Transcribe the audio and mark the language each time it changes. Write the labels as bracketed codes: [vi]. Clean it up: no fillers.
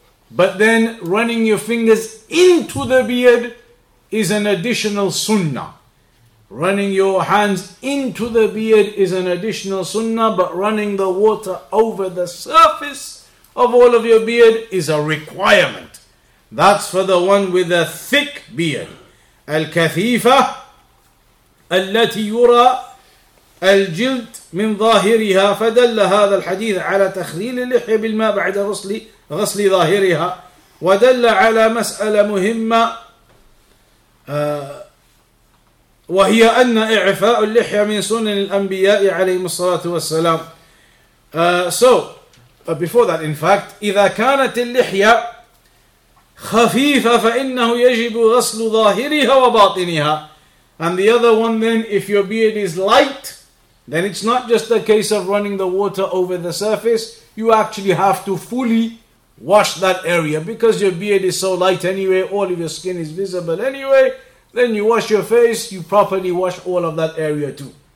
[en] But then running your fingers into the beard is an additional sunnah. Running your hands into the beard is an additional sunnah, but running the water over the surface of all of your beard is a requirement. That's for the one with a thick beard. [ar] Al-kathifa, التي يرى الجلد من ظاهرها, فدل هذا الحديث على تخليل اللحية بالماء بعد غسل ظاهرها, ودل على مسألة مهمة وهي أن إعفاء اللحية من سنن الأنبياء عليهم الصلاة والسلام. [en] Before that, in fact, [ar] إذا كانت اللحية خفيفة فإنه يجب غسل ظاهرها وباطنها. [en] And the other one then, if your beard is light, then it's not just a case of running the water over the surface, you actually have to fully wash that area. Because your beard is so light anyway, all of your skin is visible anyway, then you wash your face, you properly wash all of that area too.